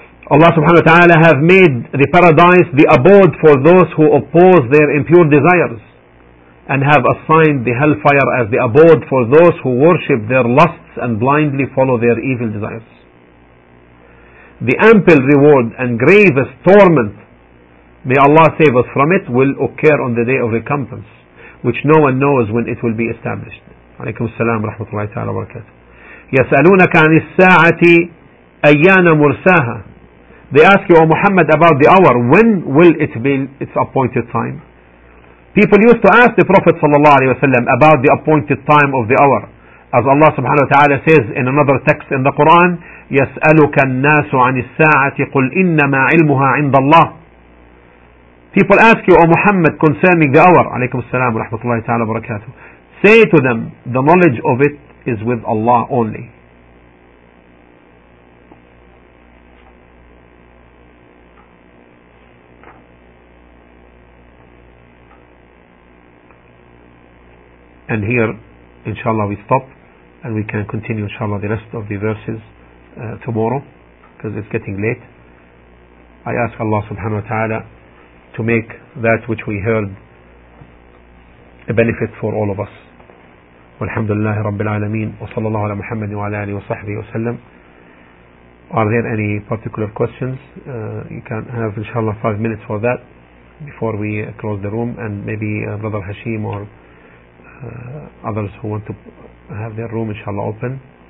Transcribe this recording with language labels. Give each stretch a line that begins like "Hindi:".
English: Allah subhanahu wa ta'ala have made the paradise the abode for those who oppose their impure desires, and have assigned the hellfire as the abode for those who worship their lusts and blindly follow their evil desires. The ample reward and gravest torment, may Allah save us from it, will occur on the day of recompense, which no one knows when it will be established.
Arabic: Alaykum as-salam wa rahmatullahi ta'ala wa barakatuh. يسألونك عن الساعة أيان مرساها.
English: They ask you, O Muhammad, about the hour. When will it be its appointed time? People used to ask the Prophet sallallahu alaihi wasallam about the appointed time of the hour, as Allah subhanahu wa ta'ala says in another text in the Quran,
Arabic: يَسْأَلُكَ النَّاسُ عَنِ السَّاعَةِ قُلْ إِنَّمَا عِلْمُهَا عِنْدَ اللَّهِ.
English: People ask you, O Muhammad, concerning the hour.
Arabic: عليكم السلام ورحمة الله تعالى وبركاته.
English: Say to them, the knowledge of it is with Allah only. And here, inshallah, we stop and we can continue, inshallah, the rest of the verses tomorrow, because it's getting late. I ask Allah subhanahu wa ta'ala to make that which we heard a benefit for all of us.
Arabic: والحمد لله رب العالمين وصلى الله على محمد وعلى آله وصحبه وسلم.
English: Are there any particular questions? You can have inshallah 5 minutes for that before we close the room, and maybe Brother Hashim or others who want to have their room inshallah open.